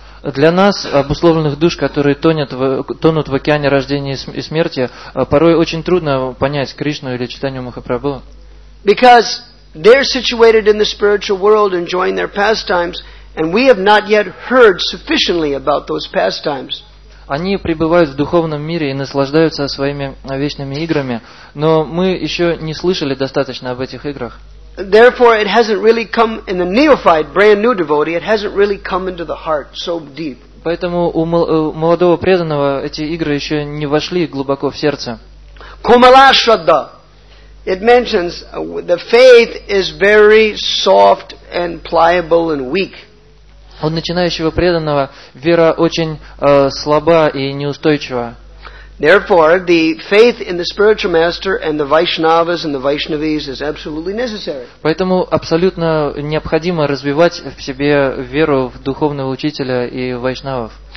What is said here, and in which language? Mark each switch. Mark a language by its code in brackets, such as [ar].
[ru] Для нас, обусловленных душ, которые тонут в океане рождения и смерти, порой очень трудно понять Кришну или Чайтанью Махапрабху. [en] Because they're situated in the spiritual world enjoying their pastimes, and we have not yet heard sufficiently about those pastimes. [ru] Они пребывают в духовном мире и наслаждаются своими вечными играми, но мы еще не слышали достаточно об этих играх. [en] Therefore, it hasn't really come in the neophyte, brand new devotee. It hasn't really come into the heart so deep. [ru] Поэтому у молодого преданного эти игры еще не вошли глубоко в сердце. [sa] Komalashraddha. [en] It mentions the faith is very soft and pliable and weak. [ru] У начинающего преданного вера очень слаба и неустойчива. [en] Therefore, the faith in the spiritual master and the Vaishnavas and the Vaishnavis is absolutely necessary. [ru] Поэтому абсолютно необходимо развивать в себе веру в духовного учителя и вайшнавов.